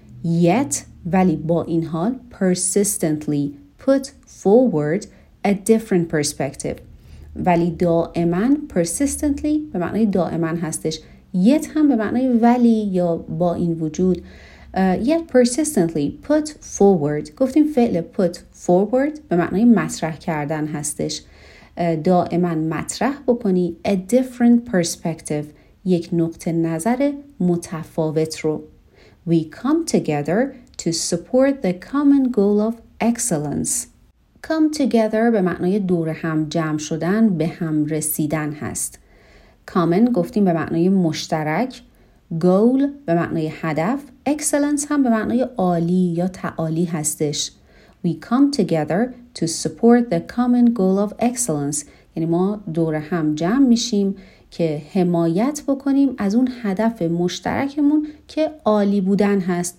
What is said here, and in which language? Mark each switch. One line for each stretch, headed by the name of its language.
Persian: yet ولی با این حال،
English: persistently put forward a different perspective،
Persian: ولی دائما، persistently به معنی دائما هستش، yet هم به معنی ولی یا با این وجود.
English: yet persistently put forward،
Persian: گفتیم فعل put forward به معنی مطرح کردن هستش. دائما مطرح بکنی
English: a different perspective،
Persian: یک نقطه نظر متفاوت رو.
English: we come together to support the common goal of excellence.
Persian: come together به معنای دور هم جمع شدن، به هم رسیدن هست. common گفتیم به معنای مشترک، goal به معنای هدف، excellence هم به معنای عالی یا تعالی هستش.
English: we come together to support the common goal of excellence،
Persian: یعنی ما دور هم جمع میشیم که حمایت بکنیم از اون هدف مشترکمون که عالی بودن هست.